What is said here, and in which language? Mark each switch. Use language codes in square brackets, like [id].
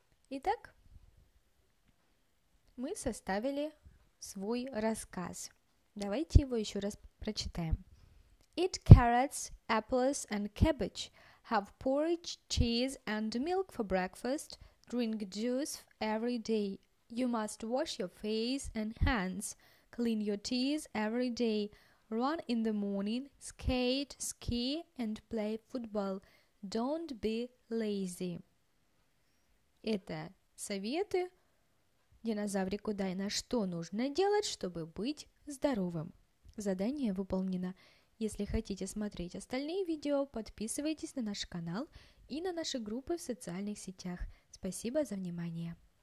[ru] Итак, мы составили свой рассказ. Давайте его еще раз прочитаем. [en] Eat carrots, apples and cabbage. Have porridge, cheese and milk for breakfast. Drink juice every day. You must wash your face and hands, clean your teeth every day, run in the morning, skate, ski, and play football. Don't be lazy. [ru] Это советы динозаврику Дайна, что нужно делать, чтобы быть здоровым. Задание выполнено. Если хотите смотреть остальные видео, подписывайтесь на наш канал и на наши группы в социальных сетях. Спасибо за внимание.